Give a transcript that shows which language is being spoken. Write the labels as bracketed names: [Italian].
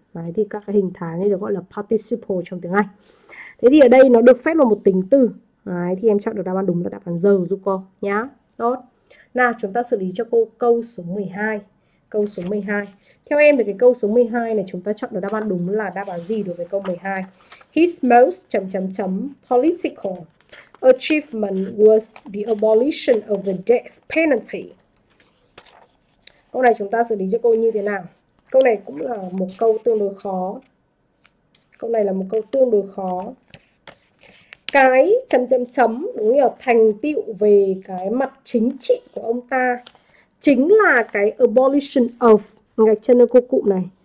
[Vietnamese] Đấy thì các cái hình thái này được gọi là participle trong tiếng Anh. Thế thì ở đây nó được phép là một tính từ. Đấy thì em chọn được đáp án đúng là đáp án giờ giúp cô nhá. Tốt. Nào chúng ta xử lý cho cô câu số 12. Câu số 12. Theo em thì cái câu số 12 này chúng ta chọn được đáp án đúng là đáp án gì đối với câu 12? [English] His most [Vietnamese] chấm chấm chấm [English] political achievement was the abolition of the death penalty. [Vietnamese] Câu này chúng ta xử lý cho cô như thế nào? Câu này cũng là một câu tương đối khó. Câu này là một câu tương đối khó. Cái chấm chấm chấm đúng là thành tựu về cái mặt chính trị của ông ta chính là cái [English] abolition of, [Vietnamese] gạch chân cô cụm này.